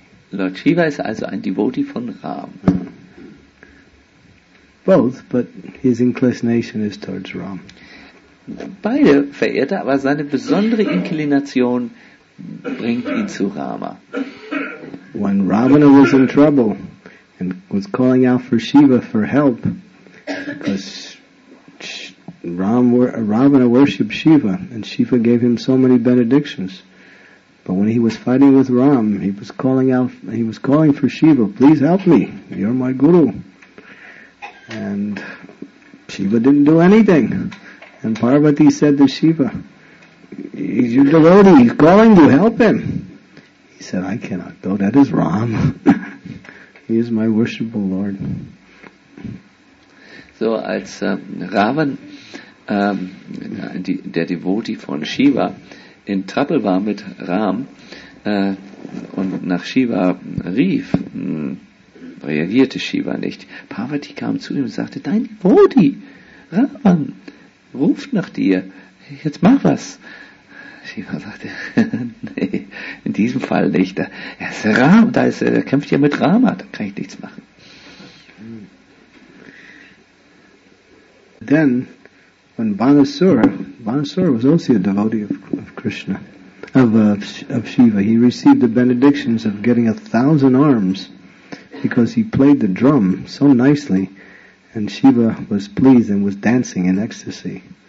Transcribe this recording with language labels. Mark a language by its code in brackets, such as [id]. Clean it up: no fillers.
[de] Lord Shiva ist also ein Devotee von Ram. [en] Both, but his inclination is towards Ram. [de] Beide verehrt er, aber seine besondere Inklination bringt ihn zu Rama. [en] When Ravana was in trouble, and was calling out for Shiva for help, because Ravana worshipped Shiva, and Shiva gave him so many benedictions. But when he was fighting with Ram, he was calling for Shiva, please help me, you're my guru. And Shiva didn't do anything. And Parvati said to Shiva, he's your devotee, he's calling you, help him. He said, I cannot go, that is Ram. He is my worshipful Lord. [de] So als Ravan, der Devotee von Shiva, in Trouble war mit Ram und nach Shiva rief, reagierte Shiva nicht. Parvati kam zu ihm und sagte, dein Devotee, Ravan, ruft nach dir, jetzt mach was. Shiva sagte, nee, in diesem Fall nicht. Er ist Ram, er kämpft ja mit Rama, da kann ich nichts machen. [en] Then, when Banasura was also a devotee of Krishna, of Shiva, he received the benedictions of getting 1,000 arms because he played the drum so nicely, and Shiva was pleased and was dancing in ecstasy.